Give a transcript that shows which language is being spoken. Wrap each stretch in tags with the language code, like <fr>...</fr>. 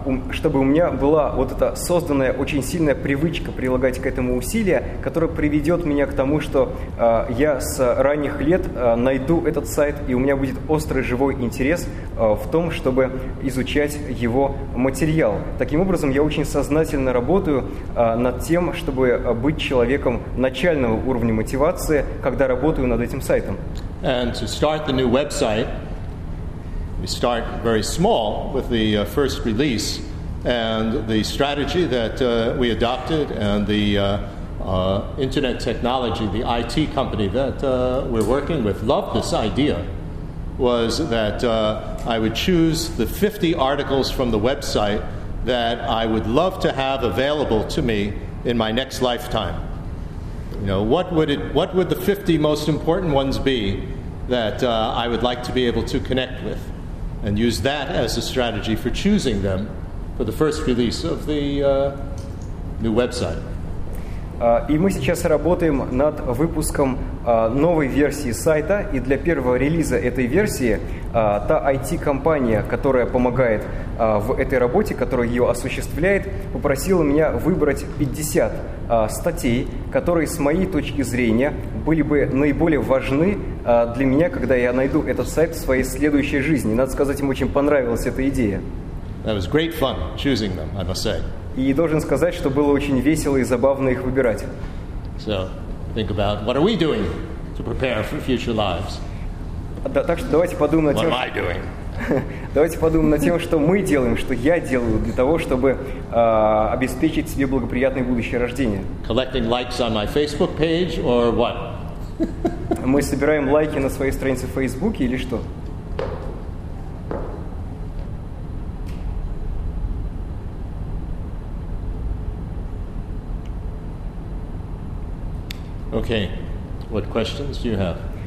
<ru>чтобы у меня была вот эта созданная очень сильная привычка прилагать к этому усилия, которая приведет меня к тому, что я с ранних лет найду этот сайт, и у меня будет острый живой интерес в том, чтобы изучать его материал. Таким образом, я очень сознательно работаю над тем, чтобы быть человеком начального уровня мотивации, когда работаю над этим сайтом.</ru> <en>And to start the new website, we start very small with the first release, and the strategy that we adopted and the internet technology, the IT company that we're working with loved this idea, was that I would choose the 50 articles from the website that I would love to have available to me in my next lifetime. You know, what would the 50 most important ones be that I would like to be able to connect with? And use that as a strategy for choosing them for the first release of the new website.</en> <ru>И мы сейчас работаем над выпуском новой версии сайта, и для первого релиза этой версии та IT-компания, которая помогает в этой работе, которая ее осуществляет, попросила меня выбрать 50 статей, которые, с моей точки зрения, были бы наиболее важны для меня, когда я найду этот сайт в своей следующей жизни. Надо сказать, им очень понравилась эта идея.</ru> <en>That was great fun choosing them, I must say.</en> <ru>И должен сказать, что было очень весело и забавно их выбирать.</ru> <en>So, think about what are we doing to prepare for future lives?</en> <ru>Так что давайте подумаем над тем,</ru> <en>what am I doing?</en> <ru>Давайте подумаем над тем, что мы делаем, что я делаю для того, чтобы обеспечить себе благоприятное будущее рождения.</ru> <en>Collecting likes on my Facebook page or what?</en> <ru>Мы собираем лайки на своей странице в Фейсбуке или что?</ru> <en>Okay. What questions do you have?</en>